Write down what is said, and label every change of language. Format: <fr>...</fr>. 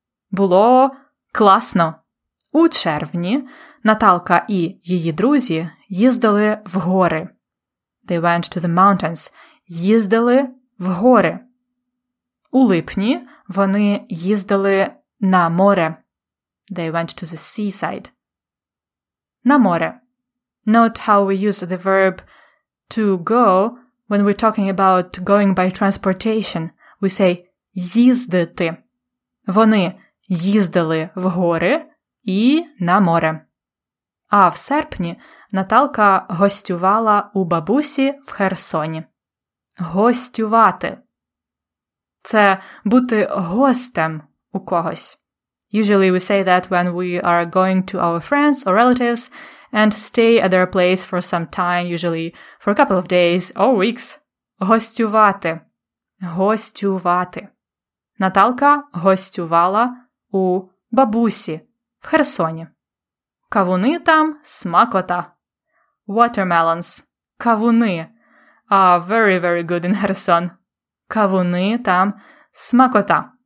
<uk>Було класно. У червні Наталка і її друзі їздили в гори.</uk> <en>They went to the mountains.</en> <uk>Їздили в гори. У липні вони їздили на море.</uk> <en>They went to the seaside.</en> <uk>На море.</uk> <en>Note how we use the verb to go when we're talking about going by transportation. We say їздити.</en> <uk>Вони їздили в гори і на море. А в серпні Наталка гостювала у бабусі в Херсоні. Гостювати. Це бути гостем у когось.</uk> <en>Usually we say that when we are going to our friends or relatives and stay at their place for some time, usually for a couple of days or weeks.</en> <uk>Гостювати. Гостювати. Наталка гостювала у бабусі в Херсоні. Кавуни там смакота. Watermelons. Кавуни.</uk> <en>Are very, very good in Херсон.</en> <uk>Кавуни там смакота.</uk>